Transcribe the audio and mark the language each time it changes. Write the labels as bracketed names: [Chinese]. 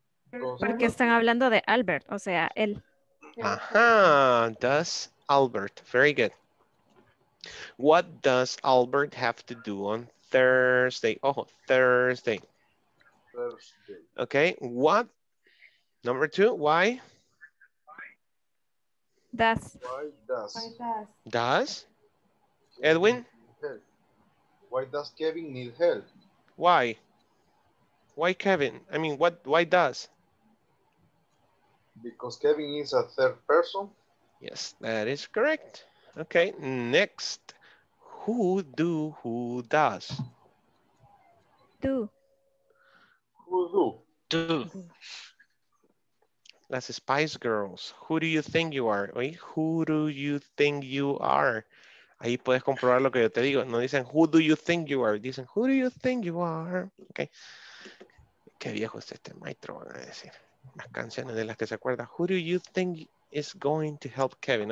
[Spanish] Porque están hablando de Albert, o sea, él. [English] Ajá. Does Albert. Very good. What does Albert have to do on Thursday? Oh, Thursday. Thursday. Okay, what? Number two, why? Does. Why does? Why does? Does? Edwin? Why does Kevin need help? Why? Why Kevin? I mean, what? Why does? Because Kevin is a third person. Yes, that is correct. Okay, next. Who do, who does? Do. Who do? Do. Las Spice Girls. Who do you think you are? Oye, who do you think you are? [Spanish] Ahí puedes comprobar lo que yo te digo. No dicen, [English] who do you think you are? Dicen, who do you think you are? Okay. [Spanish] Qué viejo es este maestro, van a decir. Las canciones de las que se acuerda. [English] Who do you think is going to help Kevin?